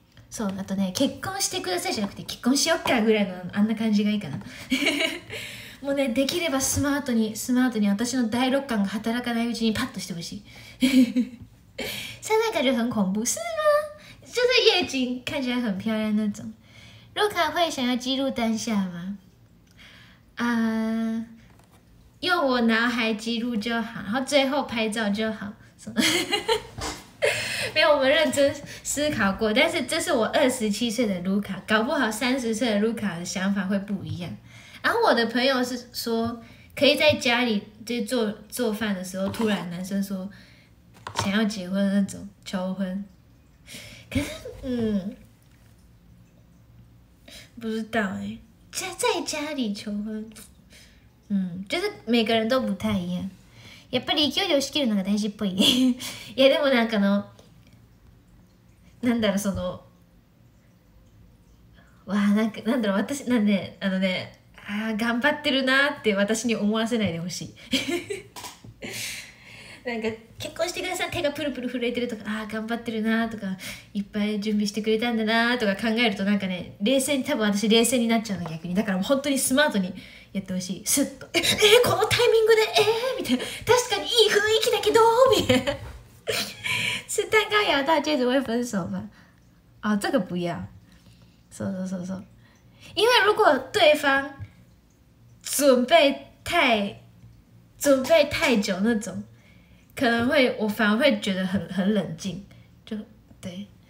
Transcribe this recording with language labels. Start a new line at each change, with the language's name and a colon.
Japanese: そう、あとね、結婚してくださいじゃなくて結婚しよっかぐらいのあんな感じがいいかな。もうね、できればスマートに私の第六感が働かないうちにパッとしてほしい。
Chinese: 现在感觉很恐怖，是吗？就是夜景看起来很漂亮那种。露卡会想要记录当下吗？用我脑海记录就好，然后最后拍照就好。没有，我们认真思考过，但是这是我27岁的露卡，搞不好30岁的露卡的想法会不一样。然后我的朋友是说，可以在家里就做饭的时候，突然男生说。想要结婚那种求婚，可是不知道哎，在家里求婚，就是每个人都不太一样。
Japanese: やっぱり勢いで押し切るのが大事っぽい。いやでもなんかの、なんだろうその、わあなんかなんだろう私なんで、ね、あのね、あ頑張ってるなって私に思わせないでほしい。なんか結婚してください手がプルプル震えてるとかああ頑張ってるなとかいっぱい準備してくれたんだなとか考えるとなんかね冷静に多分私冷静になっちゃうの逆にだからもう本当にスマートにやってほしいスッとこのタイミングでみたいな確かにいい雰囲気だけどみたいな
Chinese: 是蛋糕咬到戒指会分手吗啊这个不要そう因为如果对方准备太久那种可能会，我反而会觉得很冷静，就对。